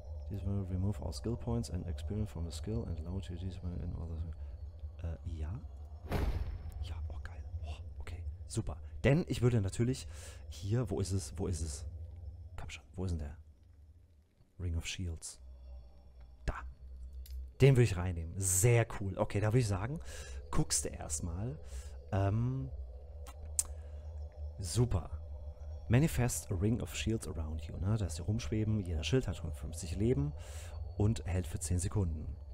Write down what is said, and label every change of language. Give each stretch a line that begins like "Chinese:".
English: This will remove all skill points and experience from the skill and allow to use them in other.
German: Ja. Ja, oh geil. Oh, okay, super. Denn ich würde natürlich hier, wo ist es? Wo ist es? Komm schon, wo ist denn der? Ring of Shields. Da. Den würde ich reinnehmen. Sehr cool. Okay, da würde ich sagen, guckst du erstmal. Super.
English: Manifest a ring of shields around you, ne?
German: Dass sie rumschweben. Jeder Schild hat 150 Leben und hält für 10 Sekunden.